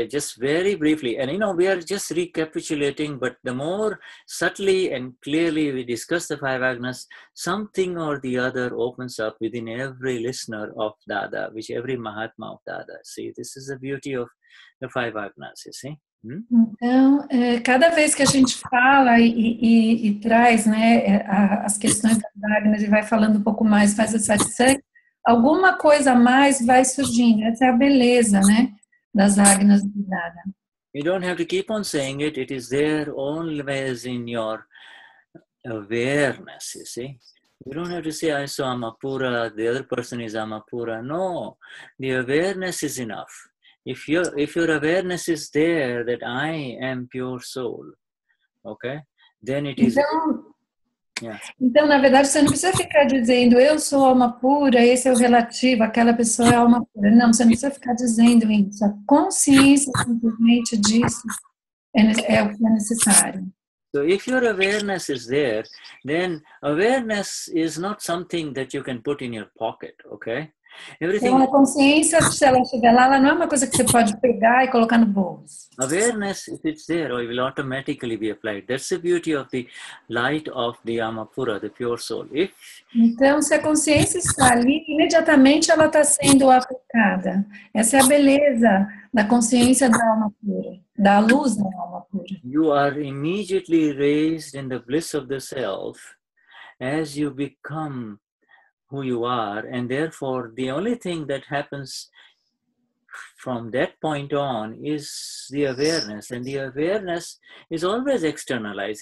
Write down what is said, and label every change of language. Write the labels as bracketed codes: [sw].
[en] Just very briefly, and you know, we are just recapitulating, but the more subtly and clearly we discuss the five agnas, something or the other opens up within every listener of Dada, which every Mahatma of Dada. See, this is the beauty of the five agnas, you see? [pt] Então, cada vez que a gente fala e traz, né, as questões da Agnas e vai falando um pouco mais, faz essa sessão, alguma coisa a mais vai surgindo. Essa é a beleza, né, das Agnas de Dada. [en] You don't have to keep on saying it. It is there always in your awareness, you see. You don't have to say, I sou Amapura, the other person is Amapura. No, the awareness is enough. If your awareness is there that I am pure soul, okay, then it is. [pt] Então, yeah. Então, na verdade, você não precisa ficar dizendo eu sou alma pura, esse é o relativo, aquela pessoa é alma pura. Não, você não precisa ficar dizendo isso. A consciência simplesmente disso é o que é necessário. [en] So if your awareness is there, then awareness is not something that you can put in your pocket, okay? Everything. [pt] Então, a consciência, se ela estiver lá, ela não é uma coisa que você pode pegar e colocar no bolso. [en] Awareness, if it's there, or it will automatically be applied. That's the beauty of the light of the Amapura, the pure soul. If... [pt] Então, se a consciência está ali, imediatamente ela está sendo aplicada. Essa é a beleza da consciência da alma pura, da luz da alma pura. [en] You are immediately raised in the bliss of the self as you become who you are, and therefore the only thing that happens from that point on is the awareness, and the awareness is always externalized.